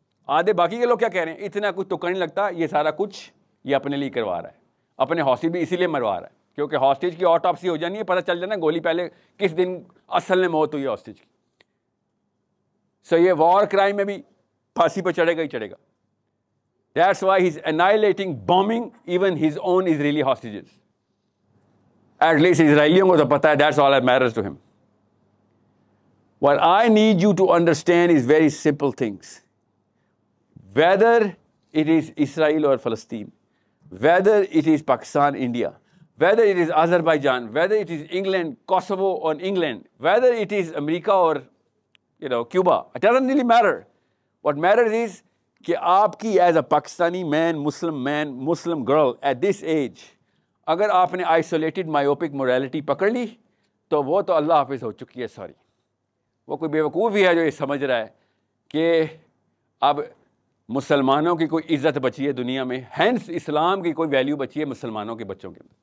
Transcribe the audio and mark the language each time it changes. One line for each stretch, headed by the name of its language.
Urdu: آدھے باقی کے لوگ کیا کہہ رہے ہیں, اتنا کچھ تو کرنے لگتا, یہ سارا کچھ یہ اپنے لیے کروا رہا ہے, اپنے ہاسٹیج بھی اسی لیے مروا رہا ہے کیونکہ ہاسٹیج کی آٹوپسی ہو جانی ہے, پتہ چل جانا گولی پہلے کس دن اصل میں موت ہوئی ہاسٹیج کی. سو یہ وار کرائم میں بھی پھانسی پہ چڑھے گا ہی چڑھے گا.
English: That's why he's annihilating, bombing even his own Israeli hostages. At least Israelis
Urdu: ko to pata hai,
English: that's all that matters to him. What I need you to understand is very simple things. Whether it is Israel or Palestine, whether it is Pakistan, India, whether it is Azerbaijan, whether it is England, Kosovo or England, whether it is America or, you know, Cuba, it doesn't really matter. What matters is
Urdu: کہ آپ کی
English: as a Pakistani man Muslim girl at this age
Urdu: اگر آپ نے isolated myopic morality پکڑ لی تو وہ تو اللہ حافظ ہو چکی ہے. سوری, وہ کوئی بیوقوف ہی ہے جو یہ سمجھ رہا ہے کہ اب مسلمانوں کی کوئی عزت بچی ہے دنیا میں, ہینس اسلام کی کوئی ویلیو بچی ہے مسلمانوں کے بچوں کے.